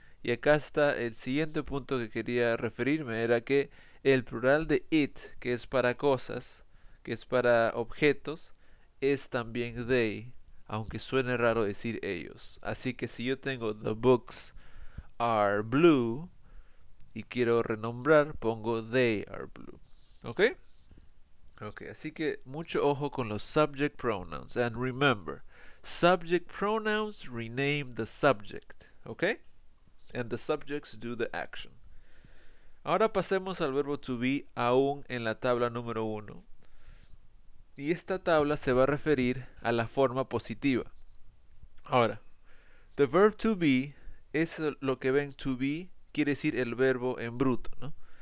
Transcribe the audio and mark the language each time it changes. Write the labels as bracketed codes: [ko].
[es] Y acá está el siguiente punto que quería referirme, era que el plural de it, que es para cosas, que es para objetos, es también they. Aunque suene raro decir ellos. Así que si yo tengo the books are blue y quiero renombrar, pongo they are blue. ¿Ok? Ok, así que mucho ojo con los subject pronouns. [en] And remember, subject pronouns rename the subject. ¿Ok? And the subjects do the action. [es] Ahora pasemos al verbo to be aún en la tabla número 1. Y esta tabla se va a referir a la forma positiva. Ahora, the verb to be es lo que ven to be, quiere decir el verbo en bruto, ¿no?